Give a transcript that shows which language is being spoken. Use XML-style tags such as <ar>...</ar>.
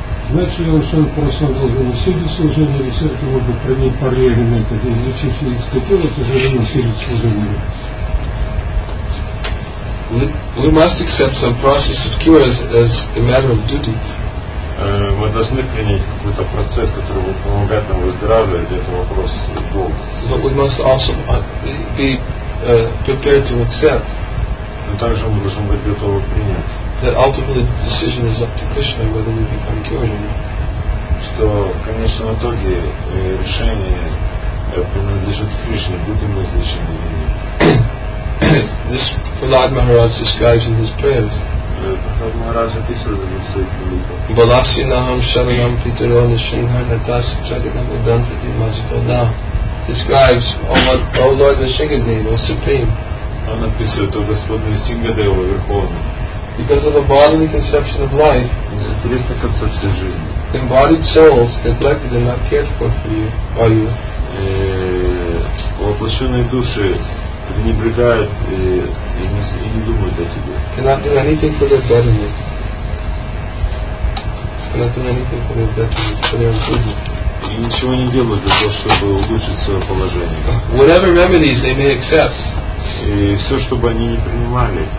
<ru>Значит ли он, что он просто должен усилить служение, или все-таки можно принять параллельный метод, и изучить физическое тело, то же время усилить служение?</ru> <en>We must accept some process of cure as a matter of duty.</en> <ru>Мы должны принять какой-то процесс, который будет помогать нам выздоравливать, это вопрос долга.</ru> <en>But we must also be prepared to accept.</en> <ru>Но также мы должны быть готовы принять.</ru> <en>That ultimately the decision is up to Krishna whether we become cured or not.</en> <ru>Что, в конечном итоге, решение принадлежит Кришне, будем мы излечены или нет.</ru> <en>This Prahlad Maharaj describes in his prayers.</en> <ru>Prahlad Maharaj описывает в своих молитвах.</ru> <sa>Баласи нахам шаранам питаро нишинхар натаси чаганам удантати маджито на.</sa> <en>Describes, O Lord Nishingadeva, O Supreme.</en> <ru>Он описывает, О Господь Нисингадева, Верховный.</ru> <en>Because of a bodily conception of life, embodied souls neglected and not cared for by you.</en> <ru>Воплощенные души пренебрегают и не думают о тебе.</ru> <en>Cannot do anything for their betterment. Cannot do anything for their betterment, for their improvement.</en> <ru>И ничего не делают для того, чтобы улучшить свое положение.</ru> <en>Whatever remedies they may accept.</en> <ru>И все, что бы они не принимали.</ru>